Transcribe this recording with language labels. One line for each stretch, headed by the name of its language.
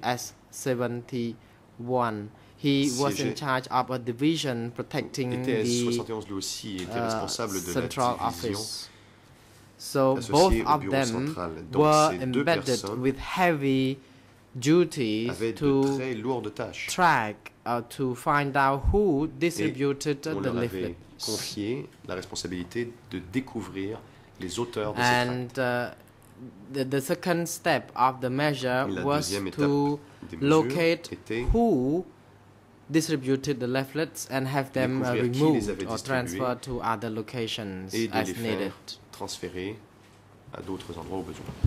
English: S71. He was in charge of a division protecting the central office. So both of them were embedded with heavy duties to track, to find out who distributed the leaflet.
French: Confié la responsabilité de découvrir les auteurs de
English: The second step of the measure was to locate who distributed the leaflets and have them removed or transferred to other locations as needed.
French: Transférer à d'autres endroits au besoin.